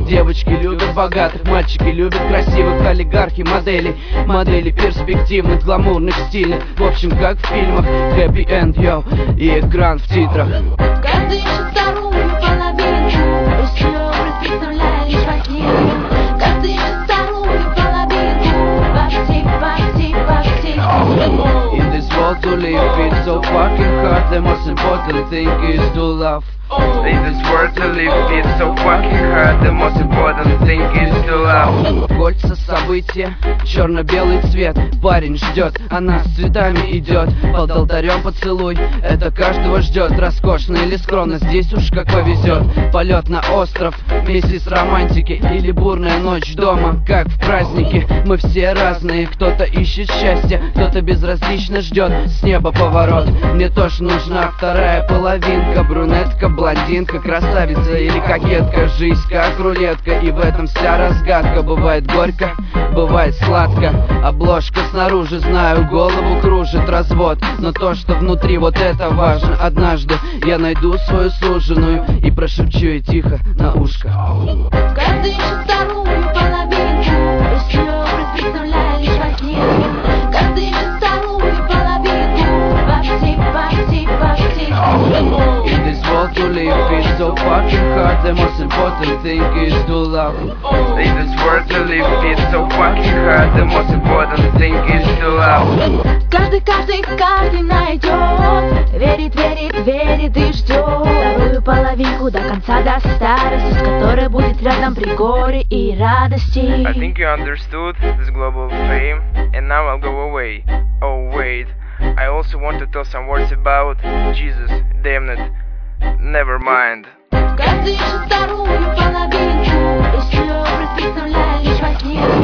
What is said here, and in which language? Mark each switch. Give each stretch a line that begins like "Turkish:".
Russian: Девочки любят богатых, мальчики любят красивых, олигархи, модели, модели перспективных, гламурных, стильных, в общем, как в фильмах, happy end, yo, и экран в титрах. Каждый ищет вторую половинку, из чего образ представляет лишь во сне. Каждый ищет вторую половинку, почти, почти, почти.
English: In this world to live, it's so fucking hard, the most important thing is to love. In this world to live, it's so fucking hard, the most important thing is to love.
Russian: Кольца события, черно-белый цвет, парень ждет, она с цветами идет, под алтарем поцелуй, это каждого ждет, роскошно или скромно, здесь уж как повезет. Полет на остров, месяц романтики, или бурная ночь дома, как в празднике. Мы все разные, кто-то ищет счастье, кто-то безразлично ждет, с неба поворот. Мне тоже нужна вторая половинка, брюнетка, блондинка, красавица или кокетка. Жизнь как рулетка, и в этом вся разгадка. Бывает горько, бывает сладко. Обложка снаружи, знаю, голову кружит развод, но то, что внутри, вот это важно. Однажды я найду свою суженую и прошепчу ей тихо на ушко. Каждый ищет вторую половинку, из чего образ представляет лишь во сне. Каждый ищет вторую половинку, почти, почти, почти.
English: In this world to live, it's so fucking hard, the most important thing is to love. In this world to live, it's so fucking hard, the most important thing is to love.
Russian: Каждый, каждый, каждый найдет, верит, верит, верит и ждет вторую половинку до конца, до старости, с которой будет рядом при горе и радости.
English: I think you understood this global theme, and now I'll go away. Oh wait, I also want to tell some words about Jesus, damn it, never mind.
Russian: Каждый ищет вторую половинку, из чего образ представляет лишь во сне.